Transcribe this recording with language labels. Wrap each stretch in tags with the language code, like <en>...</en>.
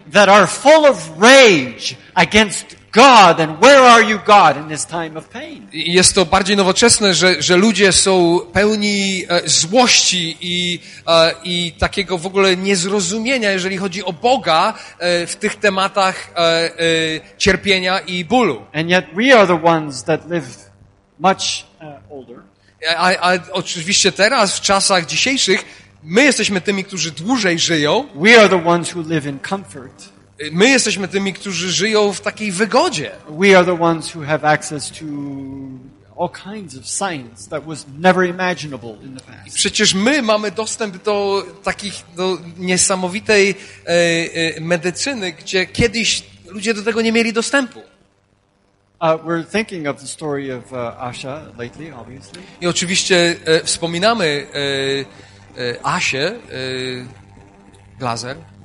<en>That are full of rage against God, and where are you, God, in this time of pain?</en> <pl>Jest to bardziej nowoczesne, że ludzie są pełni złości i takiego w ogóle niezrozumienia, jeżeli chodzi o Boga w tych tematach cierpienia i bólu.</pl> <en>And yet we are the ones that live much older.</en> <pl>A oczywiście teraz w czasach dzisiejszych my jesteśmy tymi, którzy dłużej żyją.</pl> <en>We are the ones who live in comfort.</en> <pl>My jesteśmy tymi, którzy żyją w takiej wygodzie.</pl> <en>We are the ones who have access to all kinds of science that was never imaginable in the past.</en> <pl>Przecież my mamy dostęp do takich do niesamowitej medycyny, gdzie kiedyś ludzie do tego nie mieli dostępu.</pl> <en>We're thinking of the story of Asha lately, obviously.</en> <pl>I oczywiście wspominamy Asię Glaser.</pl>